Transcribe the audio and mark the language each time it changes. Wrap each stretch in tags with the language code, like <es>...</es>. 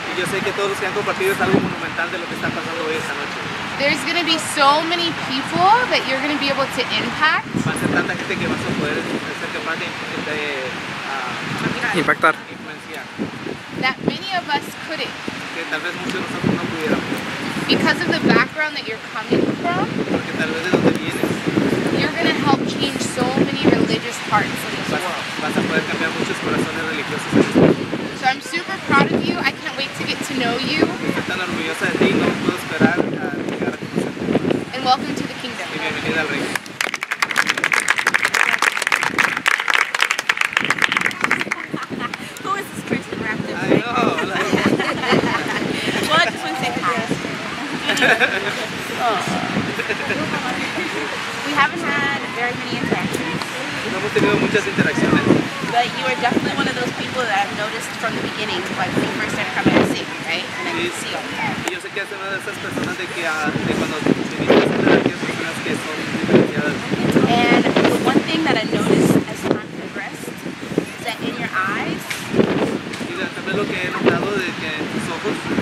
<es>Y yo sé que todos los que han compartido es algo monumental de lo que está pasando hoy esta noche.</es> <en>There's going to be so many people that you're going to be able to impact.</en> <es>Va a ser tanta gente que vas a poder ser capaz de impactar.</es> <en>That many of us couldn't.</en> <es>Que tal vez muchos de nosotros no pudiéramos.</es> <en>Because of the background that you're coming from.</en> <es>Porque tal vez de donde vienes.</es> <en>You're going to help change so many religious hearts in this world.</en> <es>Vas a poder cambiar muchos corazones religiosos.</es> <en>I'm super proud of you. I can't wait to get to know you.</en> <es>Tan orgullosa de ti, no puedo esperar a llegar a conocerte.</es> <en>And welcome to the kingdom.</en> <es>Y bienvenida al reino.</es> <en>Who is this person wrapped up? I know. Like, well, I just want to say hi. We haven't had very many interactions.</en> <es>No hemos tenido muchas interacciones.</es> <en>But you are definitely one of those people that I've noticed from the beginning, like when you first started coming to see me, right? And I can see you.</en> <es>Y yo sé que eres una de esas personas de que de cuando te viniste a hacer aquí, son personas que son diferenciadas.</es> <en>And one thing that I noticed as time progressed is that in your eyes,</en> <es>y la, también lo que he notado de que en tus ojos,</es>